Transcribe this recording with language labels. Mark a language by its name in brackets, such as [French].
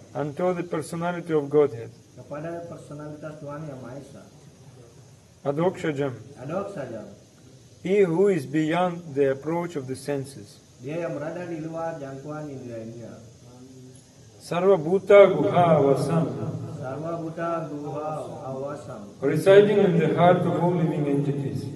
[English] And to the personality of Godhead. [Indonesian] Kepada personalitas Tuhan yang Maha Esa. [Sanskrit] Adokshajam. Adokshajam. [English] He who is beyond the approach of the senses. [Indonesian] Dia yang berada di luar jangkauan indra-indra. [Sanskrit] Sarva Bhuta Guha Vasam. Sarva Bhuta Guha Vasam. [English] Residing in the heart of all living entities.